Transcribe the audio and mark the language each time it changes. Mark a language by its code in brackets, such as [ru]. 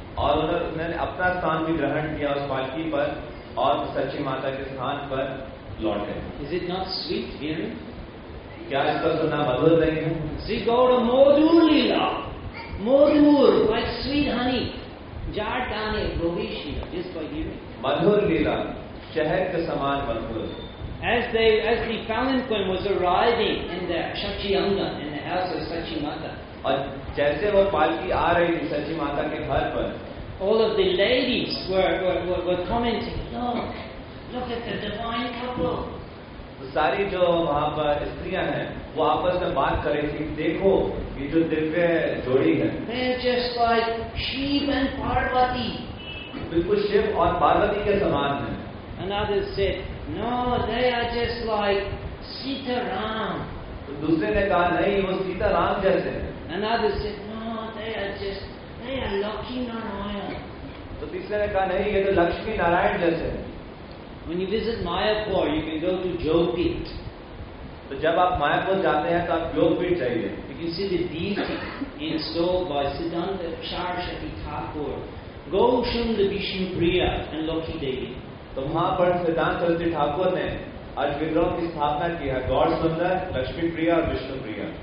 [hi] और उन्होंने अपना स्थान भी ग्रहण किया उस पालकी पर और सच्ची माता के स्थान पर लौटे [en] is it not sweet here [hi] क्या इसका सुना मधुर नहीं है [en] श्री गौर मधुर लीला मधुर लाइक स्वीट हनी जाट आने गोविशी जिस पर [hi] मधुर लीला शहर के समान बन गए. [en] As the palanquin was arriving in the Shachiyangan, in the house of Sachimata, [hi] और जैसे वो पालकी आ रही थी सचिमाता के घर पर, [en] all of the ladies were commenting, look at the divine couple. [hi] सारी जो वहाँ पर स्त्रियां हैं वो आपस में बात कर रही थी, देखो ये जो दिव्य जोड़ी है. [en] Just like Shiv and Parvati. [hi] बिल्कुल शिव और पार्वती के समान है. [en] Another said, no, they are just like Sita Ram. [hi] दूसरे ने कहा नहीं वो सीता राम जैसे. [en] Another said, no, they are Lakshmi Narayan. [hi] तो तीसरे ने कहा नहीं ये तो लक्ष्मी नारायण जैसे. [en] When you visit Mayapur, you can go to Jogpit. [hi] So, जब आप मायापुर जाते हैं तो आप जोगपीठ जाइए. [en] You can see the deity installed by Siddhanta Sharshati Thakur, Goshund Vishnupriya and Lakshmi Devi. [hi] तो वहाँ पर सिद्धांत सरस्वती ठाकुर ने आज विग्रह की स्थापना की है, गौर सुंदर, लक्ष्मी प्रिया और विष्णु प्रिया.